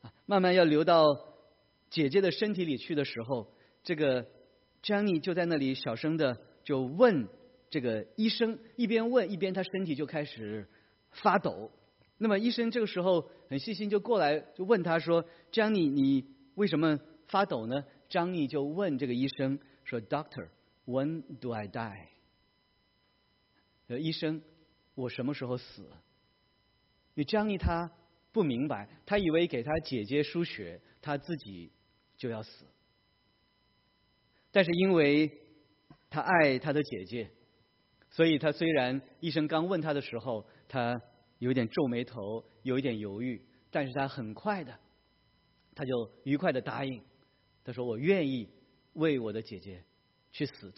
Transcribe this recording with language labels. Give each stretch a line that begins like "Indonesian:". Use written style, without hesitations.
Chinese: 慢慢要流到姐姐的身体里去的时候，这个 Johnny 就在那里小声的就问这个医生，一边问一边他身体就开始发抖。那么医生这个时候很细心就过来就问他说， Johnny 你为什么发抖呢？ Johnny 就问这个医生说，
English: Doctor when do I die？
Chinese: 医生我什么时候死？你 Johnny 他不明白，他以为给他姐姐输血他自己就要死，但是因为他爱他的姐姐，所以他虽然医生刚问他的时候他有点皱眉头有一点犹豫，但是他很快的他就愉快的答应，他说我愿意为我的姐姐去死。